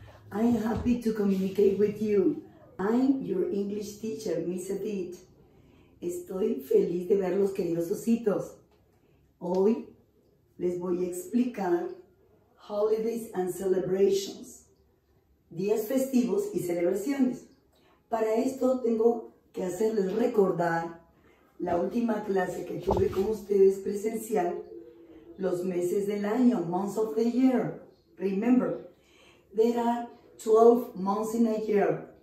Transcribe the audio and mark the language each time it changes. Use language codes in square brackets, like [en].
[en] I'm happy to communicate with you. I'm your English teacher, Miss Edith. [es] Estoy feliz de verlos, queridos ositos. Hoy les voy a explicar [en] holidays and celebrations, [es] días festivos y celebraciones. Para esto tengo que hacerles recordar la última clase que tuve con ustedes presencial, los meses del año, [en] months of the year. Remember, there are 12 months in a year.